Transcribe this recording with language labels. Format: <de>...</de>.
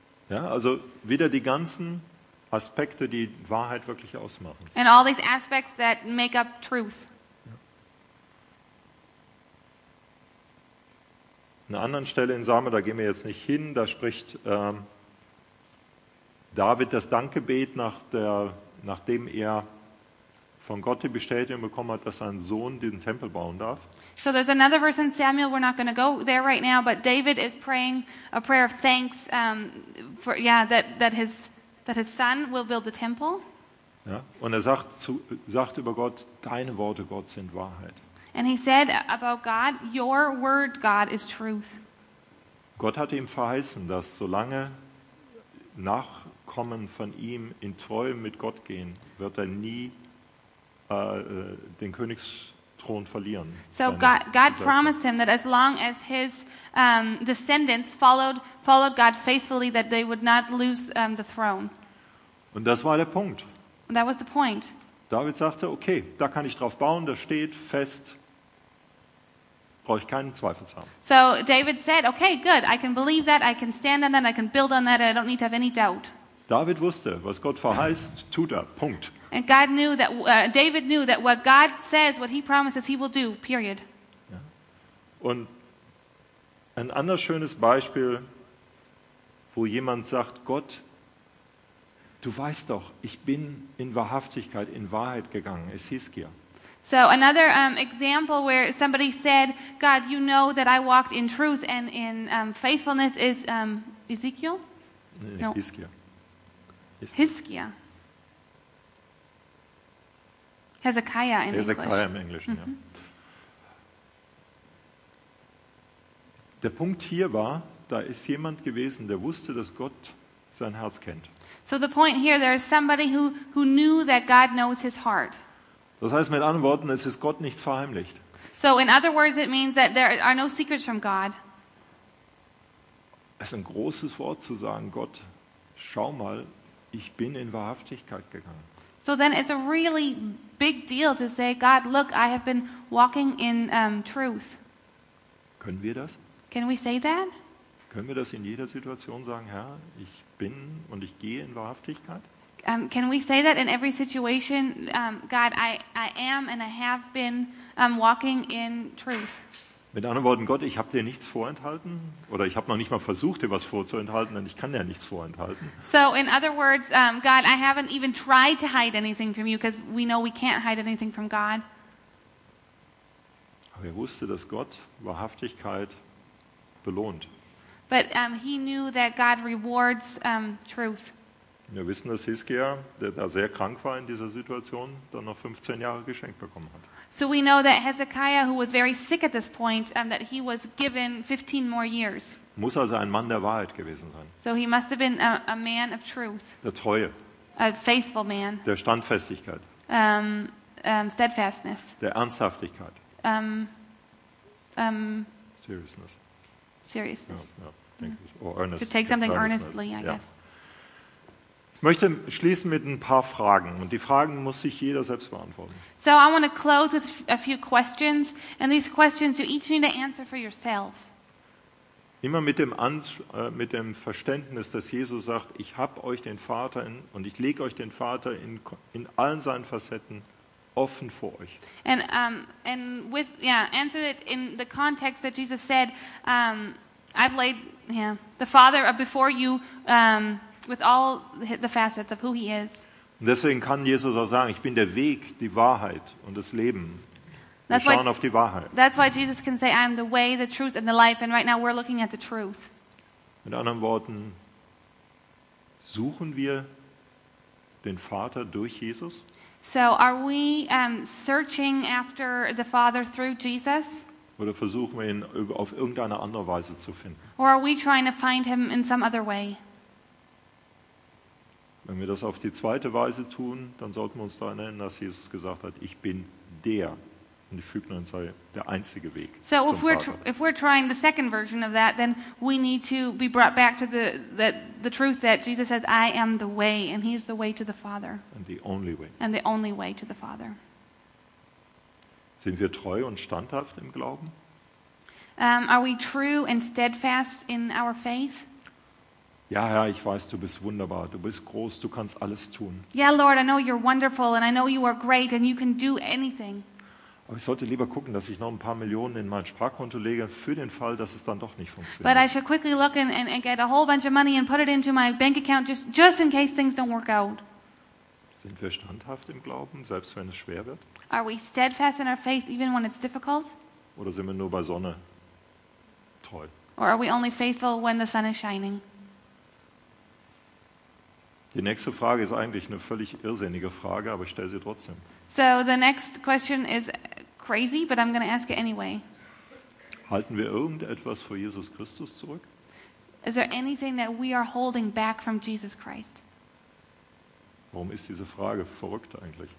<de>Ja, also wieder die ganzen Aspekte, die Wahrheit wirklich ausmachen.</de> <en>And all these aspects that make up truth.</en> <de>An einer anderen Stelle in Samuel, da gehen wir jetzt nicht hin, da spricht David das Dankgebet, nachdem er von Gott die Bestätigung bekommen hat, dass sein Sohn den Tempel bauen darf.</de> <en>So there's another verse in Samuel, we're not going to go there right now, but David is praying a prayer of thanks that his son will build the temple.</en> <de>Ja, und er sagt über Gott, deine Worte, Gott, sind Wahrheit.</de> <en>And he said about God, your word, God, is truth.</en> <de>Gott hatte ihm verheißen, dass solange nach kommen von ihm, in Treue mit Gott gehen, wird er nie den Königsthron verlieren.</de> <en>So God promised him that as long as his descendants followed God faithfully, that they would not lose the throne.</en> <de>Und das war der Punkt.</de> <en>That was the point.</en> <de>David sagte, okay, da kann ich drauf bauen, das steht fest. Brauche ich keinen Zweifel zu haben.</de> <en>So David said, okay, good, I can believe that, I can stand on that, I can build on that, I don't need to have any doubt.</en> <de>David wusste, was Gott verheißt, tut er. Punkt.</de> <en>And God knew that David knew that what God says, what he promises, he will do. Period.</en> <de>Ja. Und ein anderes schönes Beispiel, wo jemand sagt, Gott, du weißt doch, ich bin in Wahrhaftigkeit, in Wahrheit gegangen, ist Hiskia.</de> <en>So another example where somebody said, God, you know that I walked in truth and in faithfulness is Ezekiel? No. Hiskia.</en> <de>Hiskia.</de> <en>Hezekiah</en> <de>im Englischen, mm-hmm. Ja. Der Punkt hier war, da ist jemand gewesen, der wusste, dass Gott sein Herz kennt.</de> <en>So the point here, there is somebody who knew that God knows his heart.</en> <de>Das heißt mit anderen Worten, es ist Gott nichts verheimlicht.</de> <en>So in other words, it means that there are no secrets from God.</en> <de>Es ist ein großes Wort zu sagen, Gott, schau mal, ich bin in Wahrhaftigkeit gegangen.</de> <en>So then it's a really big deal to say, God, look, I have been walking in truth.</en> <de>Können wir das?</de> <en>Can we say that?</en> <de>Können wir das in jeder Situation sagen, Herr, ich bin und ich gehe in Wahrhaftigkeit?</de> <en>Can we say that in every situation, God, I am and I have been walking in truth?</en> <de>Mit anderen Worten, Gott, ich habe dir nichts vorenthalten, oder ich habe noch nicht mal versucht, dir was vorzuenthalten, denn ich kann dir nichts vorenthalten.</de> <en>So in other words, God, I haven't even tried to hide anything from you, because we know we can't hide anything from God.</en> <de>Aber er wusste, dass Gott Wahrhaftigkeit belohnt.</de> <en>But he knew that God rewards truth.</en> <de>Wir wissen, dass Hiskia, der da sehr krank war in dieser Situation, dann noch 15 Jahre geschenkt bekommen hat.</de> <en>So we know that Hezekiah, who was very sick at this point, that he was given 15 more years.</en> <de>Muss also ein Mann der Wahrheit gewesen sein.</de> <en>So he must have been a man of truth.</en> <de>Der Treue.</de> <en>A faithful man.</en> <de>Der Standfestigkeit.</de> <en>Steadfastness.</en> <de>Der Ernsthaftigkeit.</de> <en>Seriousness. Seriousness. Yeah, yeah. Mm-hmm. To take something earnestly, I guess.</en> <de>Ich möchte schließen mit ein paar Fragen, und die Fragen muss sich jeder selbst beantworten.</de> <en>So I want to close with a few questions, and these questions you each need to answer for yourself.</en> <de>Immer mit dem Verständnis, dass Jesus sagt, ich habe euch den Vater in, und ich lege euch den Vater in allen seinen Facetten offen vor euch.</de> <en>Answer it in the context that Jesus said, I've laid the Father before you with all the facets of who he is.</en> <de>Und deswegen kann Jesus auch sagen, ich bin der Weg, die Wahrheit und das Leben. Wir schauen auf die Wahrheit.</de> <en>That's why Jesus can say, I am the way, the truth and the life, and right now we're looking at the truth.</en> <de>Mit anderen Worten, suchen wir den Vater durch Jesus?</de> <en>So are we searching after the Father through Jesus?</en> <de>Oder versuchen wir ihn auf irgendeine andere Weise zu finden?</de> <en>Or are we trying to find him in some other way?</en> <de>Wenn wir das auf die zweite Weise tun, dann sollten wir uns daran erinnern, dass Jesus gesagt hat, ich bin der, und ich füge noch hinzu, der einzige Weg zum Vater.</de> <en>So if we're trying the second version of that, then we need to be brought back to the truth that Jesus says, I am the way, and he is the way to the Father. And the only way. And the only way to the Father.</en> <de>Sind wir treu und standhaft im Glauben?</de> <en>Are we true and steadfast in our faith?</en> <de>Ja, Herr, ich weiß, du bist wunderbar, du bist groß, du kannst alles tun.</de> <en>Yeah, Lord, I know you're wonderful and I know you are great and you can do anything.</en> <de>Aber ich sollte lieber gucken, dass ich noch ein paar Millionen in mein Sparkonto lege für den Fall, dass es dann doch nicht funktioniert.</de> <en>But I should quickly look and get a whole bunch of money and put it into my bank account just in case things don't work out.</en> <de>Sind wir standhaft im Glauben, selbst wenn es schwer wird?</de> <en>Are we steadfast in our faith even when it's difficult?</en> <de>Oder sind wir nur bei Sonne treu?</de> <en>Or are we only faithful when the sun is shining?</en> <de>Die nächste Frage ist eigentlich eine völlig irrsinnige Frage, aber ich stelle sie trotzdem.</de> <en>So the next question is crazy, but I'm going to ask it anyway.</en> <de>Halten wir irgendetwas vor Jesus Christus zurück?</de> <en>Is there anything that we are holding back from Jesus Christ?</en> <de>Warum ist diese Frage verrückt eigentlich?</de>